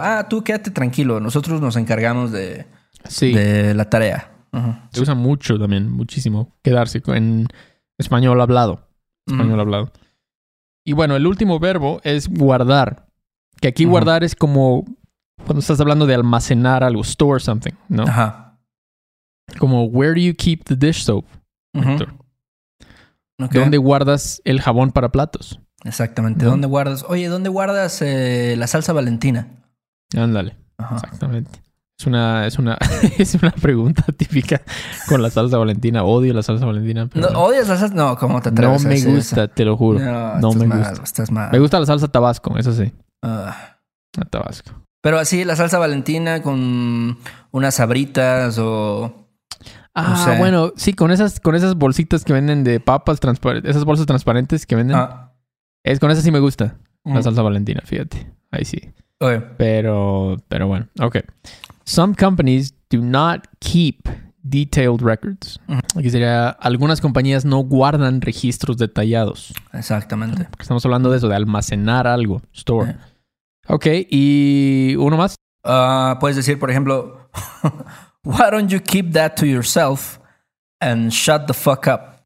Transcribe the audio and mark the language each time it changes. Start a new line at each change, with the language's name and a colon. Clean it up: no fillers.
Spanish: Ah, tú quédate tranquilo. Nosotros nos encargamos de la tarea. Uh-huh. Se usa mucho también, muchísimo, quedarse en español hablado. Español hablado. Y bueno, el último verbo es guardar. Que aquí guardar es como cuando estás hablando de almacenar algo,
English: store something,
Spanish: ¿no? Ajá. Como,
English: where do you keep the dish soap, Victor? Okay.
Spanish: ¿Dónde guardas el jabón para platos? Exactamente. ¿No? ¿Dónde guardas la salsa Valentina? Ándale. Ajá. Exactamente. Es una pregunta típica con la salsa Valentina. Odio la salsa Valentina. No, ¿odias la salsa? No, ¿cómo te atreves? No me gusta, eso? Te lo juro. No estás me mal, gusta. Estás mal. Me gusta la salsa Tabasco, eso sí. La Tabasco. Pero así, la salsa Valentina con unas Sabritas o... Ah, no sé. Bueno, sí, con esas bolsitas que venden de papas transparentes, esas bolsas transparentes que venden. Ah. Es con esas sí me gusta, la salsa Valentina, fíjate. Ahí sí. Okay. Pero bueno, ok.
English: Some companies do not keep detailed records. Uh-huh.
Spanish: Aquí sería, algunas compañías no guardan registros detallados. Exactamente. Porque estamos hablando de eso, de almacenar algo, store. Yeah. Ok, ¿y uno más? Puedes decir, por ejemplo,
English: why don't you keep that to yourself and shut the fuck up?